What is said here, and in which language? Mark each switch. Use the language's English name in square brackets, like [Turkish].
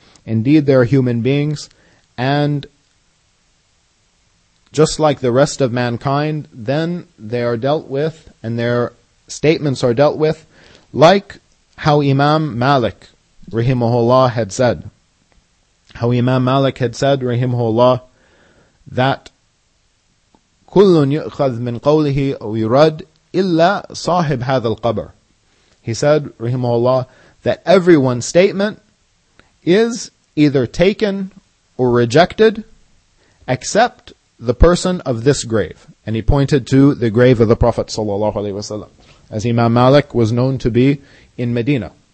[English] Indeed they are human beings. And just like the rest of mankind, then they are dealt with and their statements are dealt with like how Imam Malik, rahimahullah, had said. How Imam Malik had said, rahimahullah, that [Arabic] كُلٌّ يُؤْخَذْ مِنْ قَوْلِهِ وَيُرَدْ إِلَّا صَاحِبْ هَذَا الْقَبْرِ. [English] He said, rahimahullah, that everyone's statement is either taken or rejected except the person of this grave. And he pointed to the grave of the Prophet sallallahu alaihi wasallam, as Imam Malik was known to be in Medina.